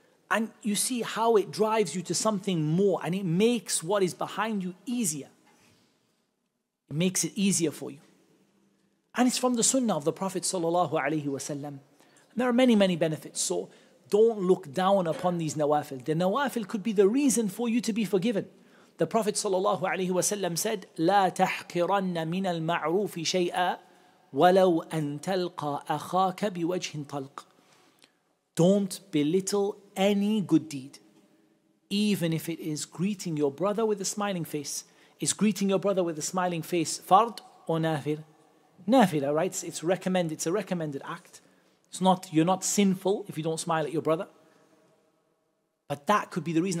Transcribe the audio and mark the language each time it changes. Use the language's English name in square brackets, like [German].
[English] And you see how it drives you to something more, and it makes what is behind you easier. It makes it easier for you. And it's from the sunnah of the Prophet sallallahu alayhi wa sallam. There are many, many benefits. So don't look down upon these nawafil. The nawafil could be the reason for you to be forgiven. [Arabic] The Prophet sallallahu alayhi wa sallam said, لَا تَحْكِرَنَّ مِنَ الْمَعْرُوفِ شَيْئًا وَلَوْ أَن تَلْقَى أَخَاكَ بِوَجْهٍ طَلْقٍ. [English] Don't belittle any good deed, even if it is greeting your brother with a smiling face. Is greeting your brother with a smiling face fard or nafil? Nafila, right? It's recommended. It's a recommended act. It's not, you're not sinful if you don't smile at your brother. But that could be the reason.